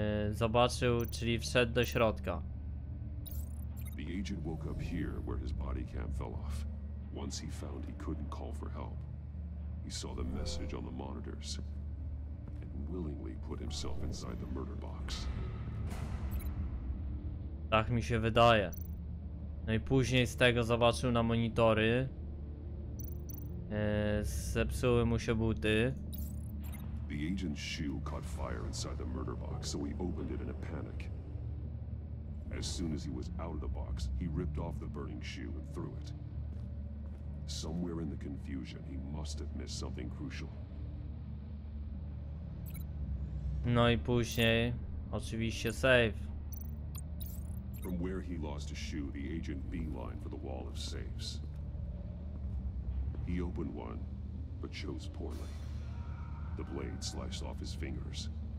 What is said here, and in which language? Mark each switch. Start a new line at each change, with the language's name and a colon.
Polish: Zobaczył, czyli wszedł do środka.
English: The agent woke up here where his body cam fell off. Once he found he couldn't call for help. He saw the message on the monitors and willingly put himself inside the murder box.
Polish: Tak mi się wydaje. No i później z tego zobaczył na monitory. Zepsuły mu się buty.
English: The agent's shoe caught fire inside the murder box, so he opened it in a panic. As soon as he was out of the box, he ripped off the burning shoe and threw it. Somewhere in the confusion, he must have missed something crucial.
Polish: No i później oczywiście save.
English: From where he lost a shoe, the agent beelined for the wall of safes. He opened one, but chose poorly. The blade sliced off his fingers.